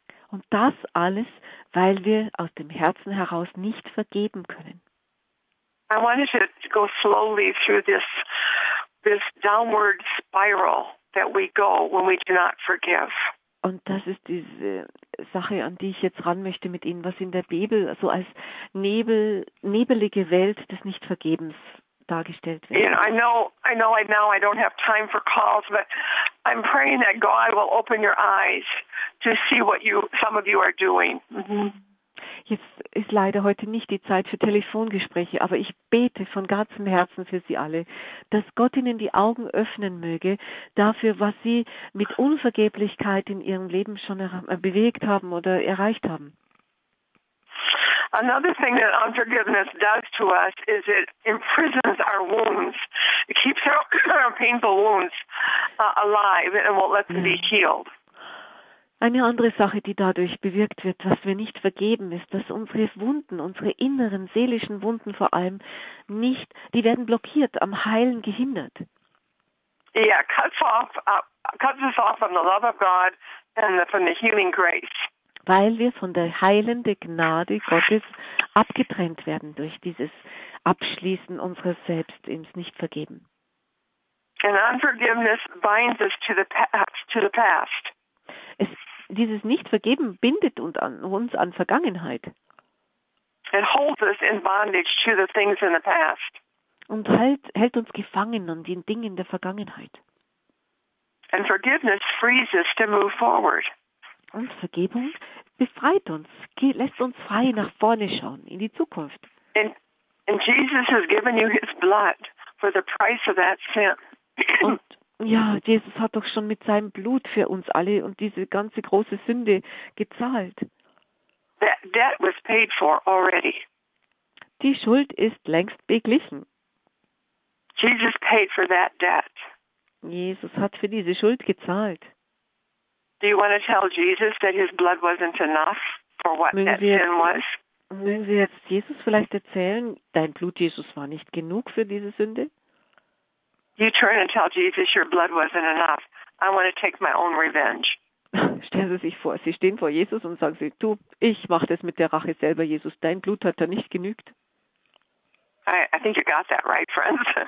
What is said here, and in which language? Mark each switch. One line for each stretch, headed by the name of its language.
German: Und das alles, weil wir aus dem Herzen heraus nicht vergeben können.
English: I wanted to go slowly through this downward spiral that we go when we do not forgive.
German: Und das ist diese Sache, an die ich jetzt ran möchte mit Ihnen, was in der Bibel so als nebelige Welt des Nichtvergebens dargestellt wird.
English: I know I don't have time for calls, but I'm praying that God will open your eyes to see what some of you are doing.
German: Jetzt ist leider heute nicht die Zeit für Telefongespräche, aber ich bete von ganzem Herzen für Sie alle, dass Gott Ihnen die Augen öffnen möge dafür, was Sie mit Unvergeblichkeit in Ihrem Leben schon bewegt haben oder erreicht haben.
English: Another thing that unforgiveness does to us is it imprisons our wounds. It keeps our painful wounds alive and won't let them be healed.
German: Eine andere Sache, die dadurch bewirkt wird, dass wir nicht vergeben, ist, dass unsere Wunden, unsere inneren seelischen Wunden vor allem, nicht, die werden blockiert, am Heilen gehindert.
English: Yeah, cuts us off from the love of God and from the healing grace.
German: Weil wir von der heilenden Gnade Gottes abgetrennt werden durch dieses Abschließen unseres Selbst ins Nichtvergeben.
English: And unforgiveness binds us to the past.
German: Dieses Nichtvergeben bindet uns an Vergangenheit.
English: It holds us in bondage to the things in the past.
German: Und hält uns gefangen an den Dingen der Vergangenheit.
English: And forgiveness frees us to move forward.
German: Und Vergebung befreit uns, lässt uns frei nach vorne schauen, in die Zukunft.
English: And Jesus has given you his blood for the price of that sin.
German: Ja, Jesus hat doch schon mit seinem Blut für uns alle und diese ganze große Sünde gezahlt.
English: That debt was paid for already.
German: Die Schuld ist längst beglichen.
English: Jesus paid for that debt.
German: Jesus hat für diese Schuld gezahlt.
English: Do you want to tell Jesus that his blood wasn't enough for what that sin was?
German: Mögen wir jetzt Jesus vielleicht erzählen, dein Blut, Jesus, war nicht genug für diese Sünde?
English: You turn and tell Jesus your blood wasn't enough. I want to take my own revenge.
German: Stellen Sie sich vor, Sie stehen vor Jesus und sagen Sie, du, ich mache das mit der Rache selber, Jesus, dein Blut hat da nicht genügt.
English: I think you got that right, friends.